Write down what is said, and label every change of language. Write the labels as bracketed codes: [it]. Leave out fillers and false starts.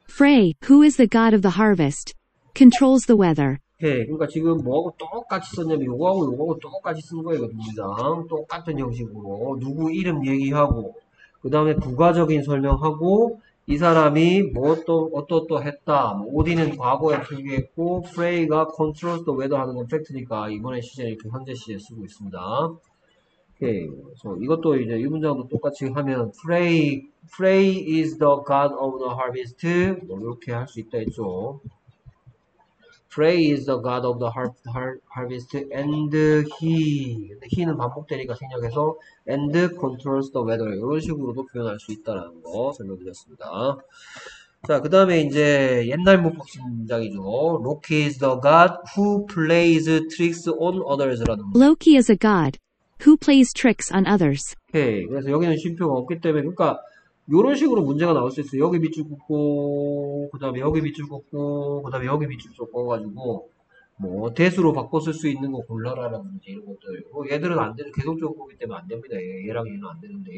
[en] Frey, who is the god of the harvest, controls the weather. [ko] 예, 그러니까 지금 뭐하고 똑같이 썼냐면 요거하고 요거하고 똑같이 쓴 거예요. 문장 똑같은 형식으로 누구 이름 얘기하고 그 다음에 부가적인 설명하고 이 사람이 뭐또 어떠또 했다. 오디는 과거에 표기했고 프레이가 컨트롤 더 웨더 하는 건 팩트니까 이번에 시제 이렇게 현재 시제 쓰고 있습니다. 예, 그래서 이것도 이제 이 문장도 똑같이 하면 프레이 [en] is the god of the harvest [ko] 뭐 이렇게 할수 있다 했죠. [en] Frey is the god of the harvest and he [ko] 는 반복되니까 생략해서 [en] and controls the weather [ko] 이런 식으로도 표현할 수 있다는 거 설명드렸습니다. 자, 그 다음에 이제 옛날 문법식 문장이죠. [en] Loki is the god who plays tricks on others [ko] 라는 거. [en] Loki is a god who plays tricks on others. [ko] 오케이. 그래서 여기는 쉼표가 없기 때문에 그러니까 요런 식으로 문제가 나올 수 있어요. 여기 밑줄 긋고, 그 다음에 여기 밑줄 긋고, 그 다음에 여기 밑줄 섞어가지고, 뭐, 대수로 바꿔 쓸수 있는 거 골라라라는 문제, 이런 것들. 얘들은 안 되는, 계속적 거기 때문에 안 됩니다. 얘랑 얘는 안 되는데.